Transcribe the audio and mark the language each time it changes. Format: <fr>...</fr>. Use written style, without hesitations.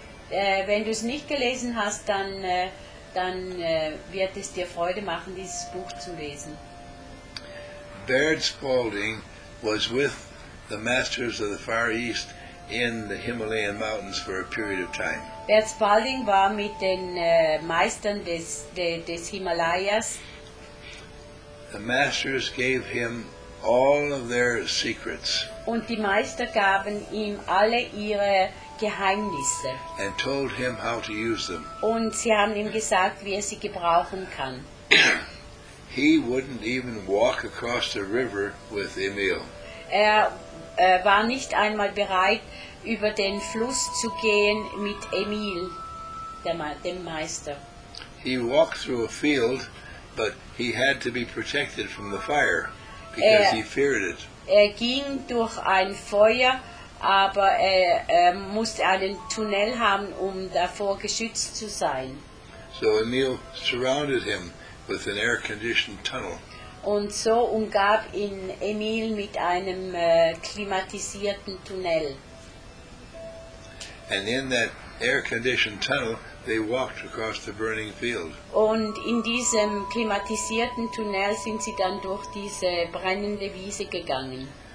<de>Wenn du es nicht gelesen hast, dann wird es dir Freude machen, dieses Buch zu lesen.</de> <en>Baird Spaulding was with the masters of the Far East in the Himalayan mountains for a period of time.</en> <de>Baird Spaulding war mit den Meistern des Himalayas.</de> <en>The masters gave him all of their secrets.</en> <de>Und die Meister gaben ihm alle ihre Geheimnisse.</de> <en>And told him how to use them.</en> <de>Und sie haben ihm gesagt, wie er sie gebrauchen kann.</de> <en>He wouldn't even walk across the river with Emil.</en> <de>Er war nicht einmal bereit, über den Fluss zu gehen mit Emil, dem Meister.</de> <en>He walked through a field, but he had to be protected from the fire, because he feared it.</en> <de>Er ging durch ein Feuer, aber er musste einen Tunnel haben, um davor geschützt zu sein.</de> <en>So Emil surrounded him with an air-conditioned tunnel.</en> <de>Und so umgab ihn Emil mit einem klimatisierten Tunnel.</de> <en>And in that air-conditioned tunnel, they walked across the burning field.</en> <de>Und in diesem klimatisierten Tunnel sind sie dann durch diese brennende Wiese gegangen.</de>